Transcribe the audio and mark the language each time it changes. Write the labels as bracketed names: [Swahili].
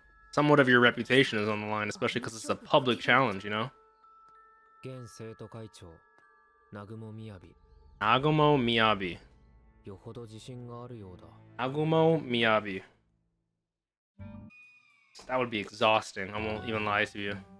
[English] Somewhat of your reputation is on the line, especially because it's a public challenge, you know? [Japanese] 現生徒会長、南雲みやび。南雲みやび。よほど自信があるようだ。南雲みやび。 [English] That would be exhausting. I won't even lie to you.